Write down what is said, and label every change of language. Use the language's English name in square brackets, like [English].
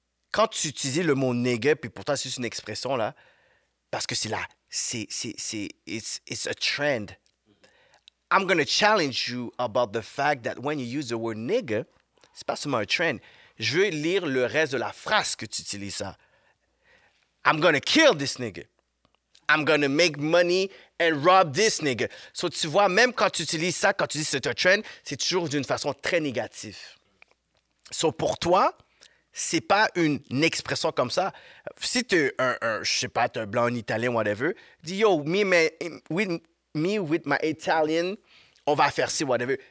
[French] Quand tu utilises le mot nigga, puis pourtant c'est juste une expression, là, parce que c'est là, [English] it's a trend. I'm going to challenge you about the fact that when you use the word nigga, [French] c'est pas seulement un trend. Je veux lire le reste de la phrase que tu utilises, ça. [English] I'm going to kill this nigga. I'm going to make money and rob this nigga. [French] So, tu vois, même quand tu utilises ça, quand tu dis c'est un trend, c'est toujours d'une façon très négative. So, pour toi, c'est pas une expression comme ça. Si t'es un je sais pas, t'es un blanc, un italien, whatever, dis yo, [English] me with my Italian, [French] on va faire ci, whatever.